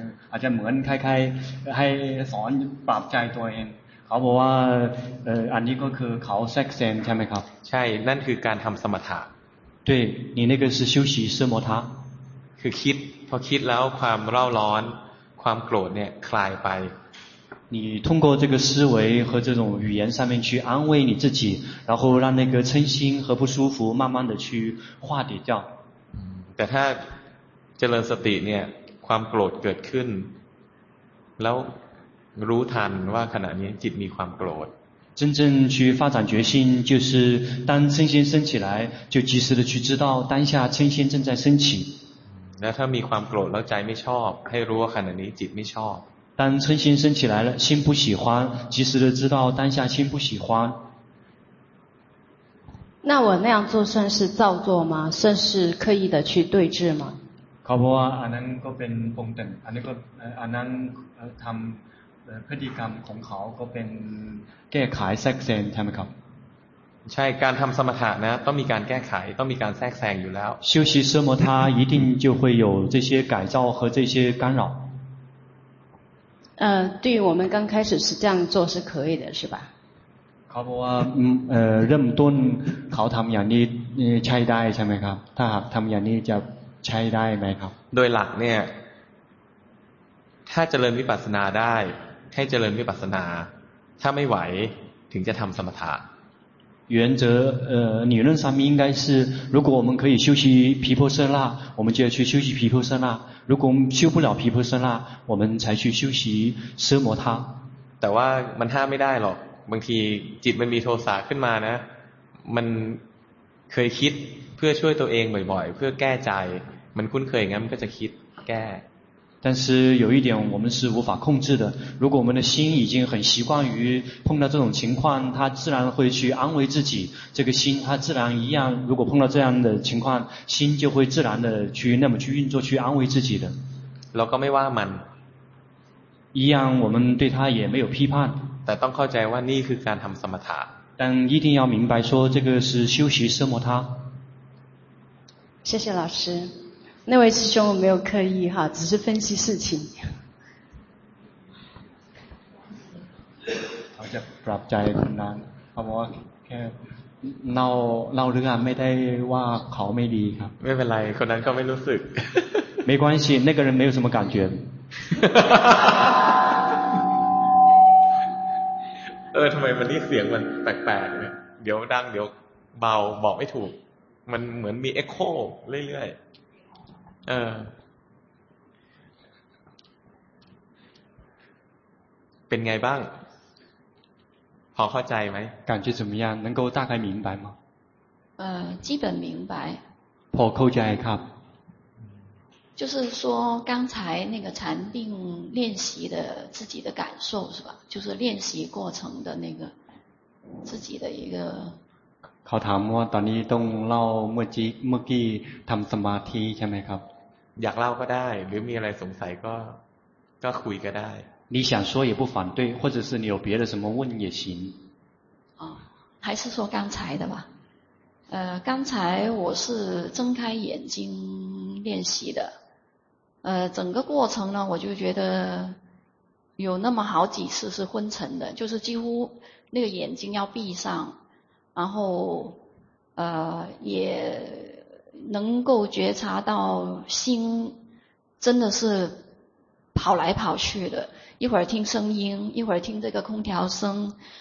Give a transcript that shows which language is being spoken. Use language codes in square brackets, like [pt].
[th] อาจจะเหมือนใครๆให้สอนปรับใจตัวเองเขาบอกว่าอันนี้ก็คือเขาแทรกแซงใช่ไหมครับ ใช่นั่นคือการทำสมถะ [zh] 对你那个是修习奢摩他 [th] คือคิดพอคิดแล้วความเร่าร้อนความโกรธเนี่ยคลายไป [zh] 你通过这个思维和这种语言上面去安慰你自己然后让那个嗔心和不舒服慢慢的去化解掉 [th] แต่ถ้าเจริญสติเนี่ยความโกรธเกิดขึ้นแล้วรู้ทันว่าขณะนี้จิตมีความโกรธ [zh] 真正去发展决心就是当嗔心升起来就及时的去知道当下嗔心正在升起 [th] แล้วถ้ามีความโกรธแล้วใจไม่ชอบให้รู้ว่าขณะนี้จิตไม่ชอบ [zh] 当嗔心升起来了心不喜欢及时的知道当下心不喜欢那我那样做算是造作吗算是刻意的去对峙吗 [th] เขาบอกว่าอันนั้นก็เป็นปงตึงอันนี้ก็อันนั้นทำพฤติกรรมของเขาก็เป็นแก้ไขแทรกแซงใช่ไหมครับ ใช่การทำสมถะนะต้องมีการแก้ไขต้องมีการแทรกแซงอยู่แล้ว [zh] 修习奢摩他一定就会有这些改造和这些干扰对于我们刚开始是这样做是可以的是吧 [th] เขาบอกว่าเริ่มต้นเขาทำอย่างนี้ใช้ได้ใช่ไหมครับถ้าหากทำอย่างนี้จะใช้ได้ไหมครับ โดยหลักเนี่ยถ้าเจริญวิปัสสนาได้ให้เจริญวิปัสสนาถ้าไม่ไหวถึงจะทำสมถะ [zh] 原则理论上面应该是如果我们可以修习毗婆舍那我们就要去修习毗婆舍那如果我们修不了毗婆舍那我们才去修习奢摩他 [th] แต่ว่ามันห้ามไม่ได้หรอกบางทีจิตมันมีโทสะขึ้นมานะมันเคยคิดเพื่อช่วยตัวเองบ่อยๆเพื่อแก้ใจมันคุ้นเคยงั้นมันก็จะคิดแก้ [zh] 但是有一点我们是无法控制的如果我们的心已经很习惯于碰到这种情况它自然会去安慰自己这个心它自然一样如果碰到这样的情况心就会自然的去那么去运作去安慰自己的 [th] เราก็ไม่ว่ามัน [zh] 一样我们对它也没有批判 [th] แต่ต้องเข้าใจว่านี่คือการทำสมถะ [zh] 但一定要明白说这个是修习奢摩他谢谢老师那位师兄我没有刻意哈只是分析事情 [th] เขาจะปรับใจคนนั้นเพราะว่าแค่เล่าเรื่องไม่ได้ว่าเขาไม่ดีครับ ไม่เป็นไรคนนั้นก็ไม่รู้สึก [zh] 没关系那个人没有什么感觉 [th] เออทำไมมันนี่เสียงมันแปลกๆเนี่ยเดี๋ยวดังเดี๋ยวเบาบอกไม่ถูกมันเหมือนมีเอ็กโคเรื่อยๆเออเป็นไงบ้างพอเข้าใจไหม [zh] 感觉怎么样能够大概明白吗基本明白 [th] พอเข้าใจครับ [zh] 就是说刚才那个禅定练习的自己的感受是吧就是练习过程的那个自己的一个 [th] เขาถามว่าตอนนี้ต้องเล่าเมื่อกี้ทำสมาธิใช่ไหมครับ อยากเล่าก็ได้หรือมีอะไรสงสัยก็คุยก็ได้ [zh] 你想说也不反对或者是你有别的什么问也行哦还是说刚才的吧刚才我是睁开眼睛练习的整个过程呢我就觉得有那么好几次是昏沉的就是几乎那个眼睛要闭上然后也能够觉察到心真的是跑来跑去的一会儿听声音一会儿听这个空调声